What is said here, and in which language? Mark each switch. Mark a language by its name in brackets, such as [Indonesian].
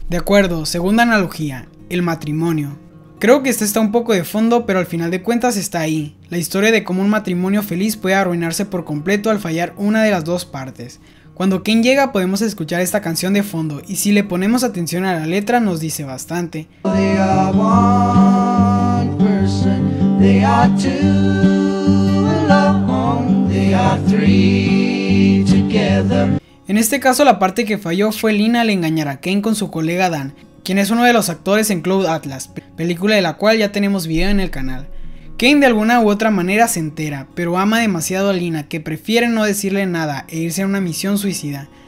[Spanish] De acuerdo, segunda analogía, el matrimonio. Creo que este está un poco de fondo, pero al final de cuentas está ahí, la historia de cómo un matrimonio feliz puede arruinarse por completo al fallar una de las dos partes. Cuando Ken llega podemos escuchar esta canción de fondo, y si le ponemos atención a la letra nos dice bastante. [English] They are 2 alone, they are 3 together. [Spanish] En este caso la parte que falló fue Lina al engañar a Ken con su colega Dan, quien es uno de los actores en Cloud Atlas, película de la cual ya tenemos video en el canal. Ken de alguna u otra manera se entera, pero ama demasiado a Lina que prefiere no decirle nada e irse a una misión suicida.